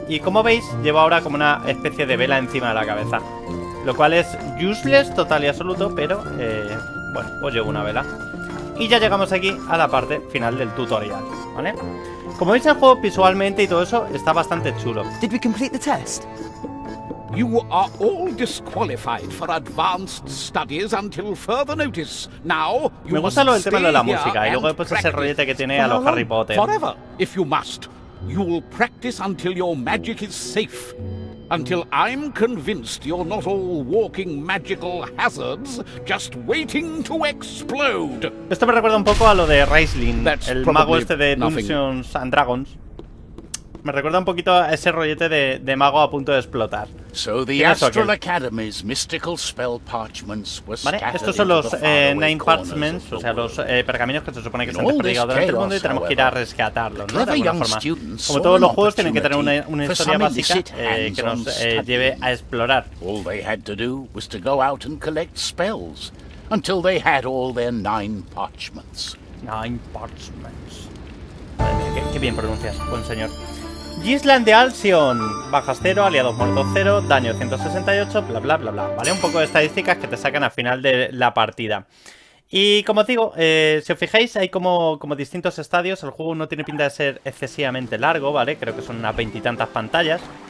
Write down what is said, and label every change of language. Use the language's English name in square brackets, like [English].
[Spanish] Y como veis, llevo ahora como una especie de vela encima de la cabeza, lo cual es [English] useless, [Spanish] total y absoluto. Pero, bueno, pues llevo una vela. Y ya llegamos aquí a la parte final del tutorial, ¿vale? Como veis, el juego visualmente y todo eso está bastante chulo. [English] ¿Did we complete the test? You are all disqualified for advanced studies until further notice. Now, you must stay here and practice forever. If you must, you will practice until your magic is safe. Until I'm convinced you're not all walking magical hazards just waiting to explode. [Spanish] Esto me recuerda un poco a lo de Raistlin, el mago este de Dungeons and Dragons. Me recuerda un poquito a ese rollete de mago a punto de explotar. [English] So the Astral Academy's mystical spell parchments were scattered. [Spanish] Vale, estos son los Nine Parchments, o sea, los pergaminos que se supone que están desperdigados durante el mundo y tenemos que ir a rescatarlos, ¿no? De alguna forma. Como todos los juegos, tienen que tener una historia básica que nos lleve a explorar. [English] All they had to do was to go out and collect spells until they had all their nine parchments. Nine parchments. [Spanish] Qué bien pronuncias, buen señor. Gisland de Alcyon, bajas 0, aliados muertos 0, daño 168, bla bla bla bla. Vale, un poco de estadísticas que te sacan al final de la partida. Y como os digo, si os fijáis, hay como distintos estadios. El juego no tiene pinta de ser excesivamente largo, ¿vale? Creo que son unas veintitantas pantallas.